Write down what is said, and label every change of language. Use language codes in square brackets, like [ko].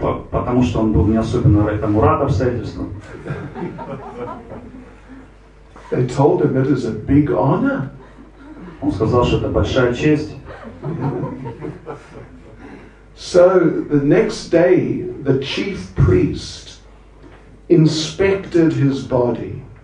[ru] Потому что он был не особенно этому рад обстоятельству. [en] They told him it is a big honor. [ru] Он сказал, что это большая честь. [en] So the next day, the chief priest inspected his body.